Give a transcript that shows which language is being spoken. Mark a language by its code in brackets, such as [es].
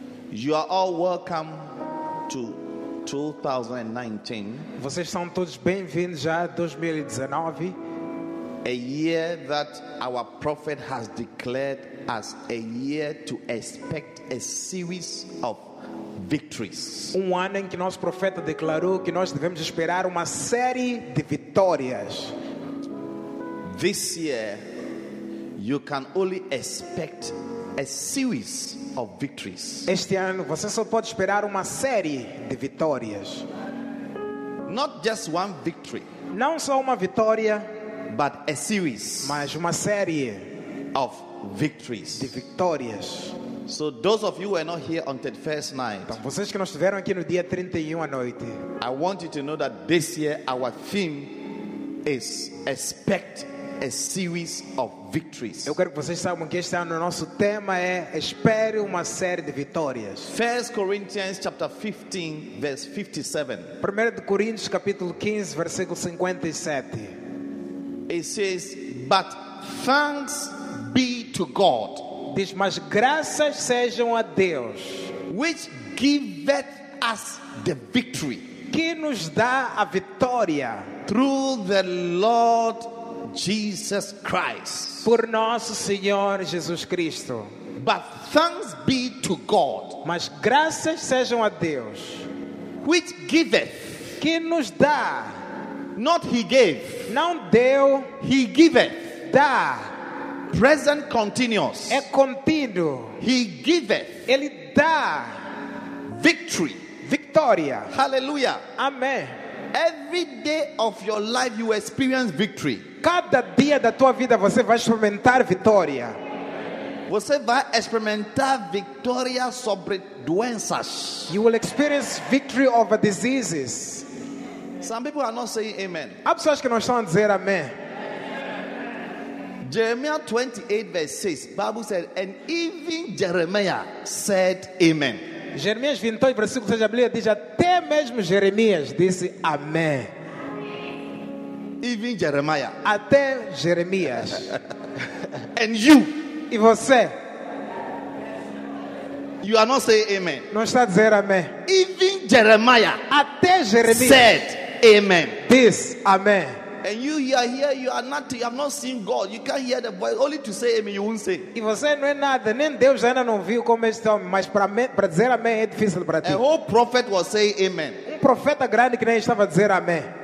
[en] You are all welcome to 2019. [pt] Vocês são todos bem-vindos já a 2019. [en] A year that our prophet has declared as a year to expect a series of victories. [pt] Um ano em que nosso profeta declarou que nós devemos esperar uma série de vitórias. [en] This year, you can only expect a series of victories. [pt] Este ano você só pode esperar uma série de vitórias. [en] Not just one victory. [pt] Não só uma vitória, [en] but a series. [pt] Mas uma série [en] of victories. [pt] De vitórias. [en] So those of you who are not here on the first night. [pt] Então, vocês que não estiveram aqui no dia 31 à noite. [en] I want you to know that this year our theme is expect a series of victories. [pt] Eu quero que vocês saibam que este ano o nosso tema é espere uma série de vitórias. [en] 1 Corinthians chapter 15 verse 57. [pt] 1 de Coríntios capítulo 15 versículo 57. [en] It says, but thanks be to God. [pt] Diz, mas graças sejam a Deus, [en] which giveth us the victory. [pt] Que nos dá a vitória. [en] Through the Lord Jesus Christ. [pt] Por nosso Senhor Jesus Cristo. [en] But thanks be to God. [pt] Mas graças sejam a Deus. [en] Which giveth. [pt] Que nos dá. [en] Not he gave. [pt] Não deu. [en] He giveth. [pt] Dá. [en] Present continuous. [pt] É contínuo. [en] He giveth. [pt] Ele dá. [en] Victory. [pt] Vitória. [en] Hallelujah. [pt] Amém. [en] Every day of your life you experience victory. [pt] Cada dia da tua vida você vai experimentar vitória. Você vai experimentar vitória sobre doenças. [en] You will experience victory over diseases. Some people are not saying amen. [pt] Há pessoas que não estão a dizer amém. [en] Jeremiah 28 verse 6. Bible said, and even Jeremiah said amen. [pt] Jeremias 28 versículo 6 da Bíblia diz, até mesmo Jeremias disse amém. [en] Even Jeremiah. [pt] Até Jeremias. [en] And you. [pt] E você. [en] You are not saying amen. [pt] Não está a dizer amém. [en] Even Jeremiah. [pt] Até Jeremias. [en] Said amen. This amen. And you, you are here, you are not, you have not seen God. You can't hear the voice. Only to say amen, you won't say. [pt] E você não é nada, nem Deus ainda não viu como este homem. Mas para dizer amém é difícil para ti. [en] A whole prophet was saying amen. [pt] Um profeta grande que nem estava a dizer amém.